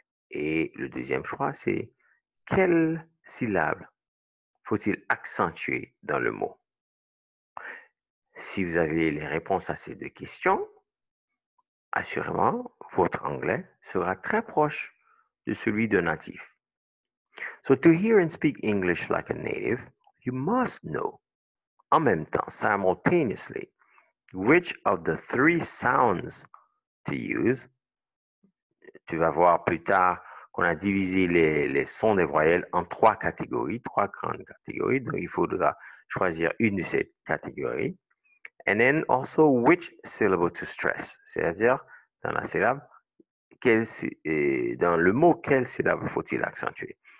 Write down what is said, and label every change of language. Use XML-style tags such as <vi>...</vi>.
<fr>Et le deuxième choix, c'est quelle syllabe faut-il accentuer dans le mot? Si vous avez les réponses à ces deux questions, assurément, votre anglais sera très proche de celui d'un natif.</fr> <en>So, to hear and speak English like a native, you must know,</en> <fr>en même temps,</fr> <en>simultaneously, which of the three sounds to use.</en> <fr>Tu vas voir plus tard qu'on a divisé les sons des voyelles en trois catégories, trois grandes catégories. Donc, il faudra choisir une de ces catégories.</fr> <en>And then also, which syllable to stress.</en> <fr>C'est-à-dire, dans la syllabe, dans le mot, quelle syllabe faut-il accentuer?</fr>